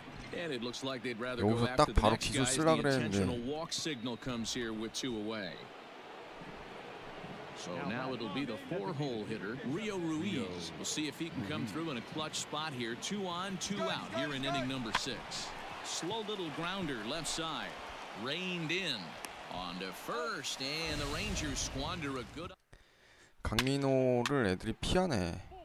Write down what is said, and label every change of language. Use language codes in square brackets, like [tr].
[ko] 여기서 딱 바로 기술 쓰려 그랬는데. [en] So now it'll be the four-hole hitter, Rio Ruiz. We'll see if he can come through in a clutch spot here. Two on, two out here in inning number six. Slow little grounder left side. Reined in on to first, and the Rangers squander a good... [ko] 강민호를 애들이 피하네.